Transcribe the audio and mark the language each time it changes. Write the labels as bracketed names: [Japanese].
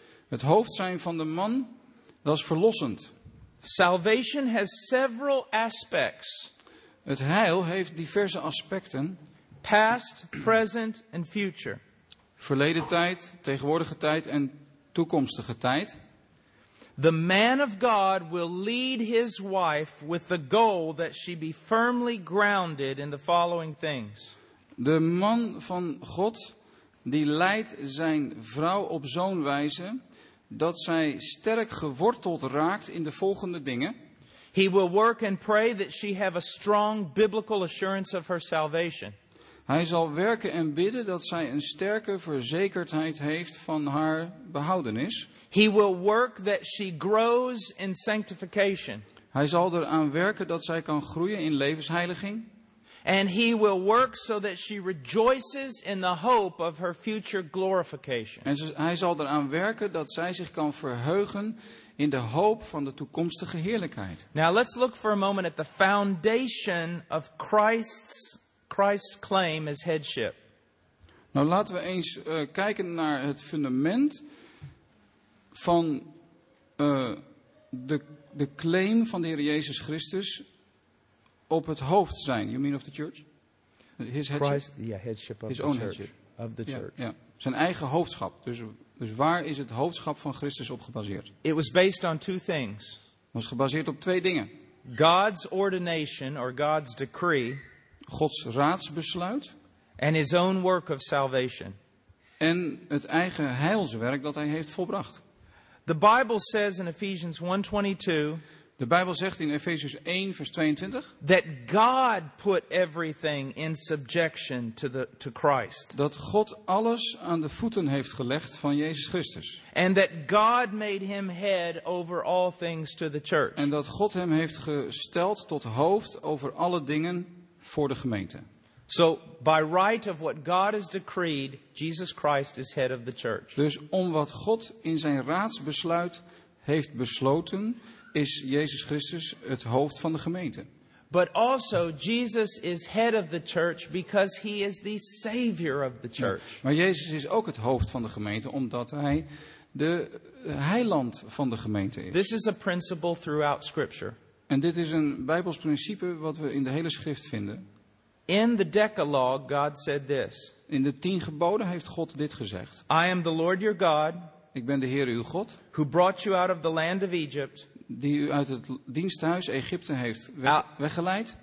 [Dutch] Het hoofd zijn van de man, dat is verlossend. [English] Salvation has several aspects. [Dutch] Het heil heeft diverse aspecten. [English] Past, present and future. [Dutch] Verleden tijd, tegenwoordige tijd en toekomstige tijd. [English] The man of God will lead his wife with the goal that she be firmly grounded in the following things. [Dutch] De man van God die leidt zijn vrouw op zo'n wijze dat zij sterk geworteld raakt in de volgende dingen. [English] He will work and pray that she have a strong biblical assurance of her salvation. [Dutch] Hij zal werken en bidden dat zij een sterke verzekerdheid heeft van haar behoudenis. [English] He will work that she grows in sanctification. [Dutch] Hij zal eraan werken dat zij kan groeien in levensheiliging. [English] And he will work so that she rejoices in the hope of her future glorification. [Dutch] En hij zal eraan werken dat zij zich kan verheugen in de hoop van de toekomstige heerlijkheid. [English] Now let's look for a moment at the foundation of Christ's claim as headship. [Dutch] Nou laten we eens kijken naar het fundament van de claim van de Heer Jezus Christus op het hoofd zijn. [English] You mean of the church? His headship. Christ, yeah, headship of his the own church. Headship. Of the church. [Dutch] Yeah, yeah. Zijn eigen hoofdschap. Dus waar is het hoofdschap van Christus op gebaseerd? [English] It was based on two things. [Dutch] Het was gebaseerd op twee dingen. [English] God's ordination or God's decree. [Dutch] Gods raadsbesluit. [English] And his own work of salvation. [Dutch] En het eigen heilswerk dat hij heeft volbracht. [English] The Bible says in Ephesians 1:22. [Dutch] De Bijbel zegt in Efesius 1 vers 22. [English] That God put everything in subjection to Christ. [Dutch] Dat God alles aan de voeten heeft gelegd van Jezus Christus. [English] And that God made him head over all things to the church. [Dutch] En dat God hem heeft gesteld tot hoofd over alle dingen voor de gemeente. [English] So by right of what God has decreed, Jesus Christ is head of the church. [Dutch] Dus om wat God in zijn raadsbesluit heeft besloten, is Jezus Christus het hoofd van de gemeente. [English] But also Jesus is head of the church because he is the savior of the church. [Dutch] Ja, maar Jezus is ook het hoofd van de gemeente omdat hij de heiland van de gemeente is. [English] This is a principle throughout scripture. [Dutch] En dit is een Bijbels principe wat we in de hele schrift vinden. [English] In the Decalogue, God said this. [Dutch] In de 10 geboden heeft God dit gezegd. [English] I am the Lord your God. [Dutch] Ik ben de Heer uw God. [English] Who brought you out of the land of Egypt. [Dutch] Die u uit het diensthuis Egypte heeft weggeleid.